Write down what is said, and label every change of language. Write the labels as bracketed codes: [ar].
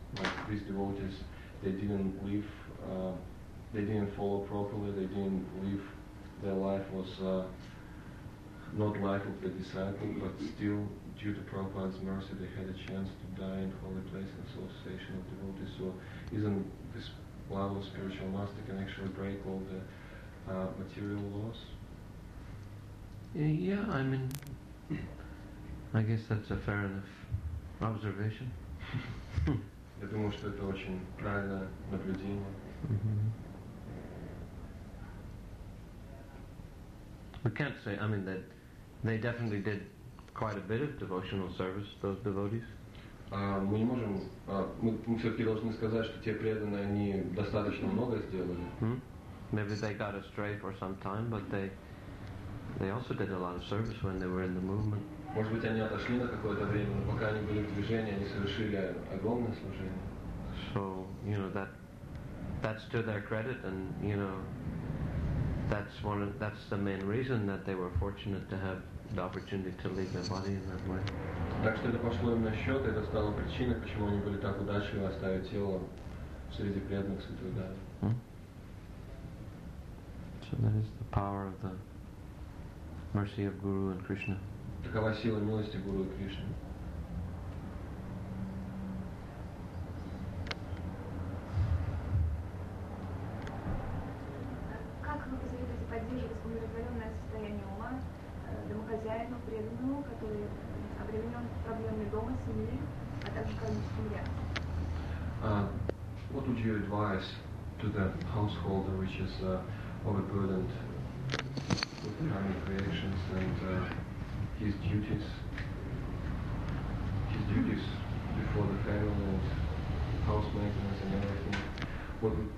[en] Like these devotees, they didn't live, they didn't follow properly, they didn't live, their life was not life of the disciple, but still, due to Prabhupada's mercy, they had a chance to die in holy place in association of devotees. So isn't this love of spiritual master can actually break all the material laws? Yeah, I mean, I guess that's a fair enough observation. [ru] Я думаю, что это очень правильное наблюдение. [en] We can't say, I mean, that they definitely did quite a bit of devotional service, those devotees. [ru] Мы не можем, мы все-таки должны сказать, что те преданные, они достаточно много сделали. [en] Maybe they got astray for some time, but they also did a lot of service when they were in the movement. [ru] Может быть, они отошли на какое-то время, но пока они были в движении, они совершили огромное служение. [en] So, you know, that's to their credit, and, you know, that's the main reason that they were fortunate to have the opportunity to leave their body in that way. [ru] Так что это пошло им на счет, это стало причиной, почему они были так удачливы оставить тело среди преданных святых дар. [en] So that is the power of the mercy of Guru and Krishna. [ru] Такова сила милости Гуру и Кришны. Как вы посоветуете поддерживать умиротворенное состояние ума домохозяину преданному, который обременен проблемами дома, семьи, а также кармическим реакцией? [en] What would you advise to the householder which is overburdened with karmic reactions and his duties before the family and house maintenance and everything?